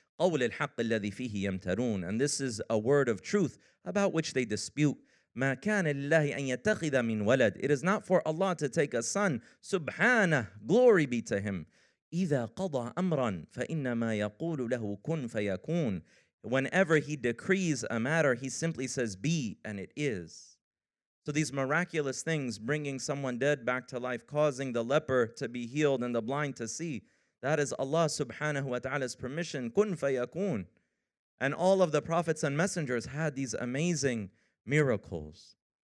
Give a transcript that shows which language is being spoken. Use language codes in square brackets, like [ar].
[ar] قول الحق الذي فيه يمترون. [en] And this is a word of truth about which they dispute. [ar] ما كان لله أن يتخذ من ولد. [en] It is not for Allah to take a son. سبحانه. Glory be to him. [ar] إذا قضى أمرا فإنما يقول له كن فيكون. [en] Whenever he decrees a matter, he simply says be and it is. So these miraculous things, bringing someone dead back to life, causing the leper to be healed and the blind to see, that is Allah subhanahu wa ta'ala's permission. Kun fayakun. And all of the prophets and messengers had these amazing miracles.